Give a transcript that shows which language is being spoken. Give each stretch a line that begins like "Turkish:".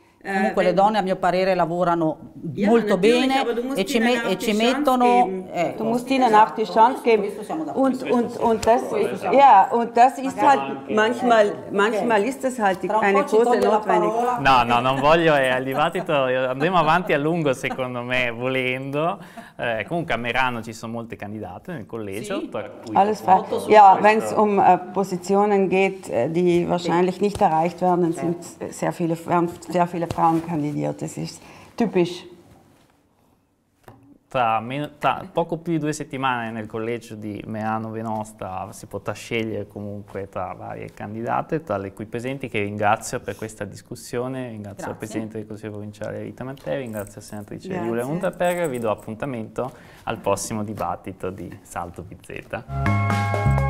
Italian: Comunque le donne a mio parere lavorano molto bene e ci mettono
German: du musst ihnen auch die Chance geben und das ist halt manchmal ist es halt eine
Italian: cosa
German: notwendig.
Italian: No, no, non voglio il dibattito, andiamo avanti a lungo secondo me volendo. Comunque a Merano ci sono molte candidate nel collegio,
German: alles frei. Ja, wenn es um Positionen geht, die wahrscheinlich nicht erreicht werden, sind sehr viele Frauen kandidiert, das ist typisch.
Italian: Tra poco più di due settimane nel collegio di Merano Venosta si potrà scegliere comunque tra varie candidate, tra le qui presenti, che ringrazio per questa discussione, ringrazio il Presidente del Consiglio Provinciale Rita Mattei, ringrazio la Senatrice Giulia Unterberger, vi do appuntamento al prossimo dibattito di Salto BZ.